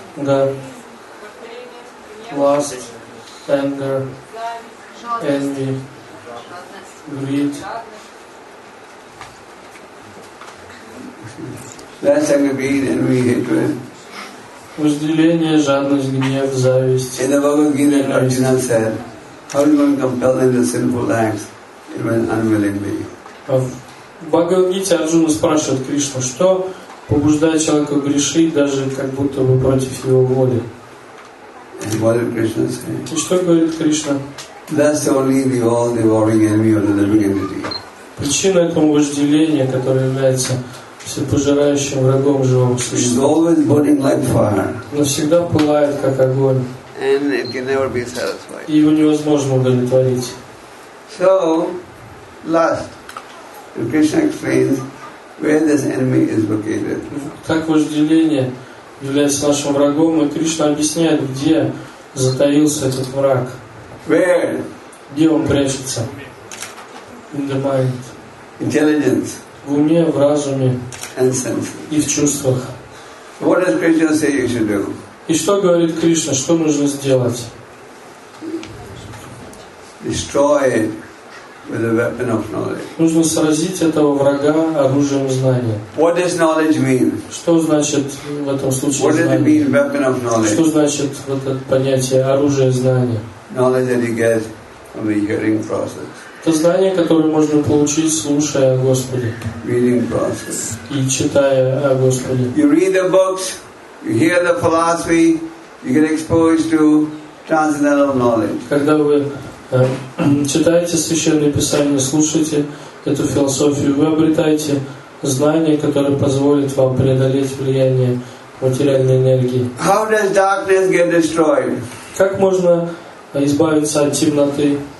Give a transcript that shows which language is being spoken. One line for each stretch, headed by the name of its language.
English: Да. Lust, anger, envy, greed. Lust, anger, greed, envy, hatred.
Russian: Вожделение, жадность, гнев, зависть.
English: In the Bhagavad Gita, Arjuna said, how do one compel into sinful acts even unwillingly?
Russian: В Бхагавад Гите Арджуна спрашивает Кришну, что побуждая человека грешить, даже как будто бы против его воли.
English: And what did Krishna say?
Russian: И что говорит Кришна?
English: That's only the all-devouring enemy of the living entity.
Russian: Причина этому вожделения, которое является всепожирающим врагом живого существа. Но всегда пылает, как огонь. И его невозможно удовлетворить.
English: So, lust. Krishna explains where this enemy is located.
Russian: Как вожделение является нашим врагом, и Кришна объясняет, где затаился этот враг.
English: Where?
Russian: Где он прячется?
English: In the mind. Intelligence.
Russian: В уме, в разуме.
English: And senses.
Russian: И в чувствах.
English: What does Krishna say you should do?
Russian: И что говорит Кришна, что нужно сделать?
English: Destroy it with a weapon of knowledge.
Russian: Нужно сразить этого врага оружием знания.
English: What does knowledge mean?
Russian: Что значит в этом случае
English: What
Russian: знание?
English: Does it mean, weapon of knowledge?
Russian: Что значит вот это понятие оружие знания?
English: Knowledge that you get from the hearing process.
Russian: Это знание, которое можно получить, слушая о Господе.
English: Reading process.
Russian: И читая о Господе.
English: You read the books, you hear the philosophy, you get exposed to transcendental knowledge.
Russian: Когда вы читаете Священное Писание, слушаете эту философию, вы обретаете знание, которое позволит вам преодолеть влияние материальной энергии.
English: How does darkness get destroyed?
Russian: Как можно избавиться от темноты?